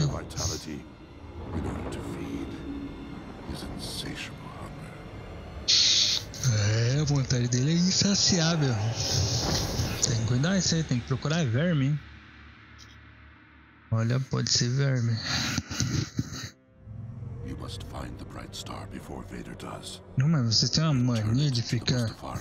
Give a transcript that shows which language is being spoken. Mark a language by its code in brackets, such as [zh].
[en] your vitality in order to feed his insatiable hunger. [pt] A vontade dele é insaciável. Tem que cuidar isso aí, tem que procurar verme. Olha, pode ser verme. [en] You must find the bright star before Vader does. [pt] Não, mas você tem uma mania de ficar.